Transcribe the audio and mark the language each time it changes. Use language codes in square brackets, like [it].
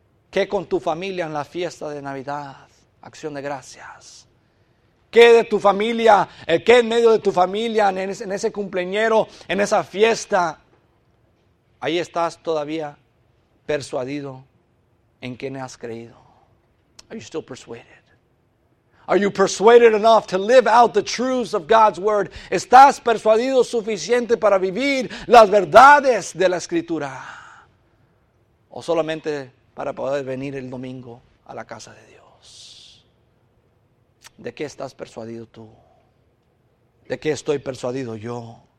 [es] ¿Qué con tu familia en la fiesta de Navidad, Acción de Gracias? ¿Qué de tu familia, qué en medio de tu familia, en ese cumpleañero, en esa fiesta? Ahí estás todavía persuadido en quien has creído. [en] Are you still persuaded? Are you persuaded enough to live out the truths of God's word? [es] ¿Estás persuadido suficiente para vivir las verdades de la Escritura? ¿O solamente para poder venir el domingo a la casa de Dios? ¿De qué estás persuadido tú? ¿De qué estoy persuadido yo?